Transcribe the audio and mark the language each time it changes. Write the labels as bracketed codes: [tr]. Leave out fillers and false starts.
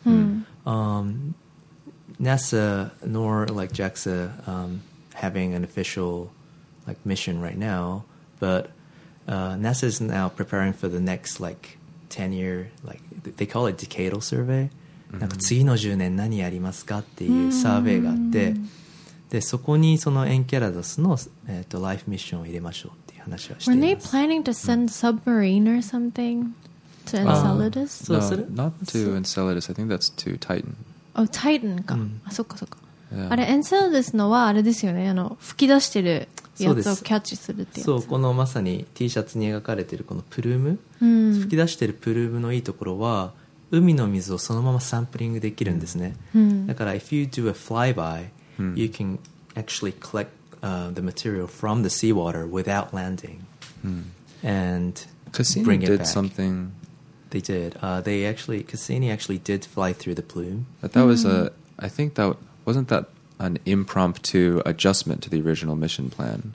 [en] NASA nor like JAXA having an official like mission right now, but NASA is now preparing for the next like 10-year, like they call it decadal survey. [ja] なんか次の10年何やりますかっていうサーベイがあって、でそこにそのエンケラドスのライフミッションを入れましょうっていう話はしています。 [en] Were they planning to send submarine or something to Enceladus? No, not to Enceladus. I think that's to Titan. [ja] Oh, Titan か。あ、そっかそっか。あれ、Enceladus のはあれですよね、あの吹き出してるやつをキャッチするってやつ。そう、このまさに T シャツに描かれてるこのプルーム、吹き出してるプルームのいいところは海の水をそのままサンプリングできるんですね。 [en] だから if you do a flyby, you can actually collect the material from the seawater without landing and bring it back. Cassini did something. They did. Cassini actually did fly through the plume. But that was I think that wasn't that an impromptu adjustment to the original mission plan.